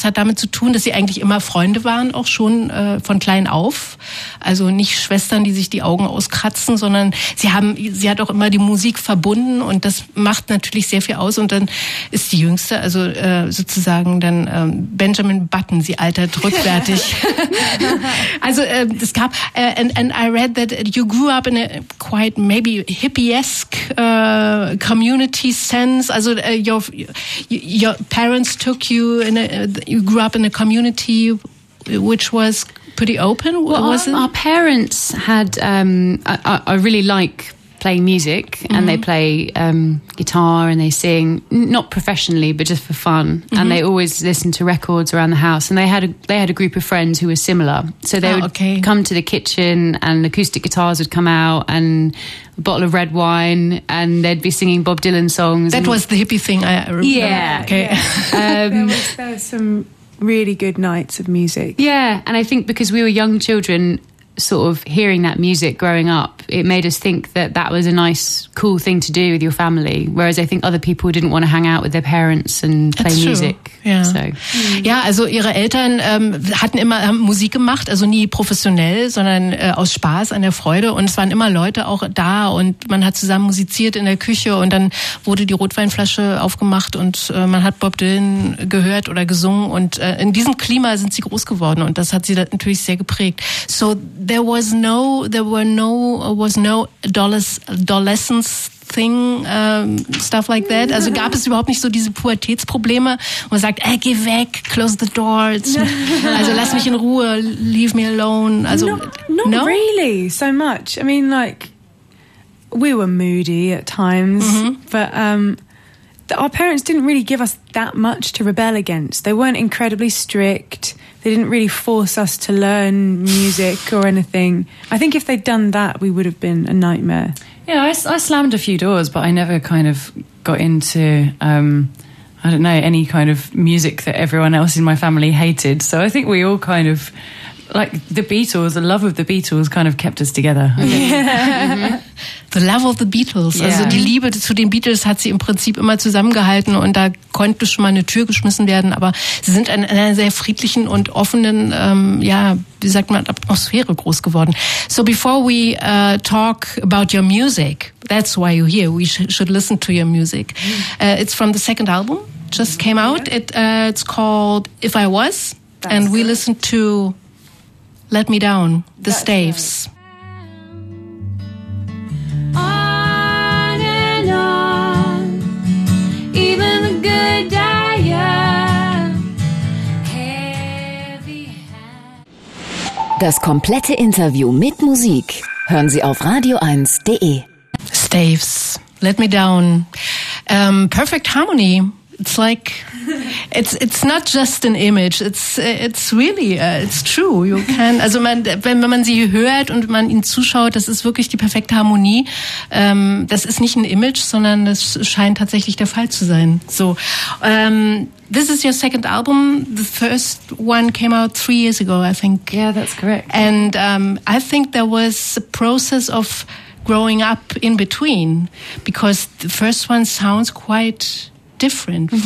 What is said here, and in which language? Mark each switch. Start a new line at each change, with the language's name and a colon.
German: Das hat damit zu tun, dass sie eigentlich immer Freunde waren, auch schon von klein auf. Also nicht Schwestern, die sich die Augen auskratzen, sondern sie hat auch immer die Musik verbunden und das macht natürlich sehr viel aus. Und dann ist die Jüngste, also sozusagen dann Benjamin Button, sie altert rückwärtig. Also es gab,
English: and I read that you grew up in a quite maybe hippie-esque community sense. Also your parents took you, in a, you grew up in a community which was pretty open, well, wasn't our parents had, I really like play music mm-hmm. and they play guitar and they sing, not professionally, but just for fun. Mm-hmm. And they always listen to records around the house. And they had a group of friends who were similar. So they come to the kitchen and acoustic guitars would come out and a bottle of red wine and they'd be singing Bob Dylan songs. That was the hippie thing I remember. Yeah. Okay. Yeah. there were some really good nights of music. Yeah. And I think because we were young children sort of hearing that music growing up, it made us think that that was a nice, cool thing to do with your family. Whereas I think other people didn't want to hang out with their parents and play music. Yeah. So.
German: Ja, also ihre Eltern hatten immer Musik gemacht, also nie professionell, sondern aus Spaß, an der Freude. Und es waren immer Leute auch da und man hat zusammen musiziert in der Küche und dann wurde die Rotweinflasche aufgemacht und man hat Bob Dylan gehört oder gesungen. Und in diesem Klima sind sie groß geworden und das hat sie natürlich sehr geprägt.
English: So there was no adolescence thing, stuff like that.
German: Also gab es überhaupt nicht so diese Pubertätsprobleme, wo man sagt, geh weg,
English: close the doors,
German: also lass mich in Ruhe,
English: leave me alone.
German: Also
English: not really so much. I mean, like, we were moody at times, mm-hmm. but our parents didn't really give us that much to rebel against. They weren't incredibly strict. They didn't really force us to learn music or anything. I think if they'd done that, we would have been a nightmare. Yeah, I slammed a few doors, but I never kind of got into, I don't know, any kind of music that everyone else in my family hated. So I think we all kind of, like the Beatles, the love of the Beatles kind of kept us together. Yeah. The love of the Beatles. Yeah.
German: Also die Liebe zu den Beatles hat sie im Prinzip immer zusammengehalten und da konnte schon mal eine Tür geschmissen werden, aber sie sind in einer sehr friedlichen und offenen, wie sagt man, Atmosphäre groß geworden.
English: So before we talk about your music, that's why you're here, we should listen to your music. It's from the second album, just came out. Yeah. It's called If I Was, that's and we listened to Let Me Down, The Staves. Right.
German: Das komplette Interview mit Musik hören Sie auf radio1.de.
English: Staves, Let Me Down. Perfect Harmony. It's like, it's not just an image. It's really, it's true. You can,
German: also man, wenn man sie hört und man ihnen zuschaut, das ist wirklich die perfekte Harmonie. Das ist nicht ein Image, sondern das scheint tatsächlich der Fall zu sein.
English: So, this is your second album. The first one came out 3 years ago, I think. Yeah, that's correct. And I think there was a process of growing up in between, because the first one sounds quite different mm-hmm.